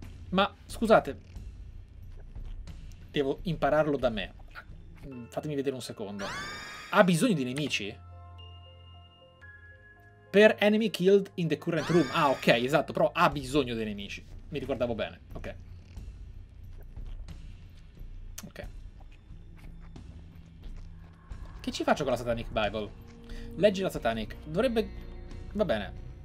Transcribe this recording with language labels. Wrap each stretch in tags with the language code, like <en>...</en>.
<it>Ma, scusate. Devo impararlo da me. Fatemi vedere un secondo. Ha bisogno di nemici?</it> <en>Per enemy killed in the current room.</en> <it>Ah, ok, esatto, però ha bisogno dei nemici. Mi ricordavo bene, ok. Ok. Che ci faccio con la Satanic Bible? Leggi la Satanic. Dovrebbe... Va bene.</it>